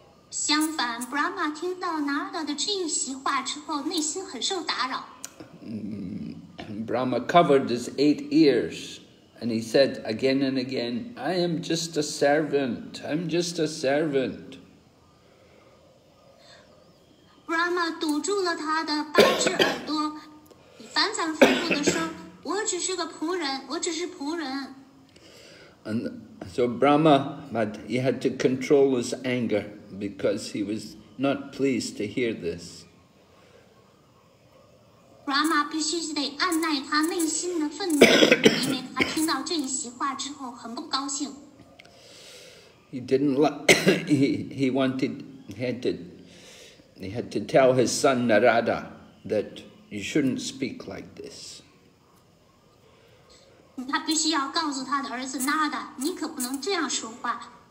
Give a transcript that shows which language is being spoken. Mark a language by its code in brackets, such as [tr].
[zh] 相反 ，Brahma 听到 Narada 的这一席话之后，内心很受打扰。 [en] Brahma covered his 8 ears. And he said again and again, I am just a servant, I'm just a servant. [zh] Brahma 堵住了他的八只耳朵，反反复复地说，我只是个仆人，我只是仆人。 [en] And so Brahma, but he had to control his anger because he was not pleased to hear this. [zh] Brahma 必须得按耐他内心的愤怒，因为他听到这一席话之后很不高兴。 [en] He didn't like. He had to tell his son Narada that you shouldn't speak like this. [zh] 他必须要告诉他的儿子 Narada, 你可不能这样说话。